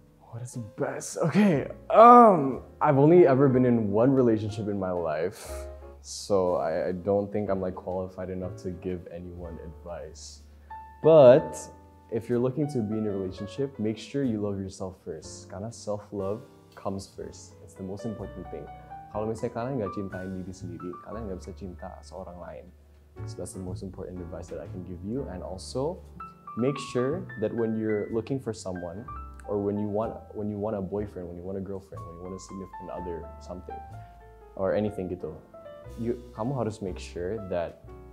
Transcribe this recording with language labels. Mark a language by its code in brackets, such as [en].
[en] What is the best? Okay, I've only ever been in one relationship in my life, so I don't think I'm like qualified enough to give anyone advice. But if you're looking to be in a relationship, make sure you love yourself first. [id] Karena [en] self-love comes first. It's the most important thing. [id] Kalau misalnya kalian nggak cintain diri sendiri, kalian nggak bisa cinta seorang lain. [en] So that's the most important advice that I can give you. And also, make sure that when you're looking for someone, or when you want a boyfriend, when you want a girlfriend, when you want a significant other, something, or anything [id] gitu, kamu harus [en] make sure that